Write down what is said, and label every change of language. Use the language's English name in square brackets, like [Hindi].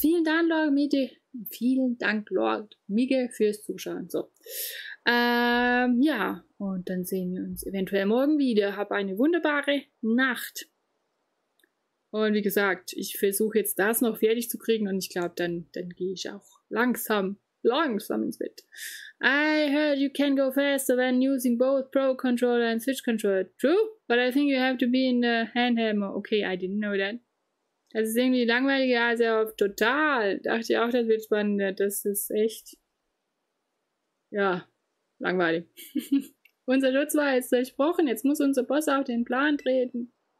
[German] Vielen Dank, Lord Mitte. Vielen Dank, Lord Migge, fürs Zuschauen. So. Ja. Und dann sehen wir uns eventuell morgen wieder. Hab eine wunderbare Nacht. Und wie gesagt, ich versuche jetzt das noch fertig zu kriegen und ich glaube, dann gehe ich auch langsam ins Bett. [English] I heard you can go faster when using both Pro Controller and Switch Controller. True, but I think you have to be in the handheld mode. Okay, I didn't know that. [German] Das ist irgendwie langweiliger als er auf total. Dachte ich auch, das wird spannend. Das ist echt, ja, langweilig. Unser Schutz war jetzt durchbrochen, jetzt muss unser Boss auf den Plan treten.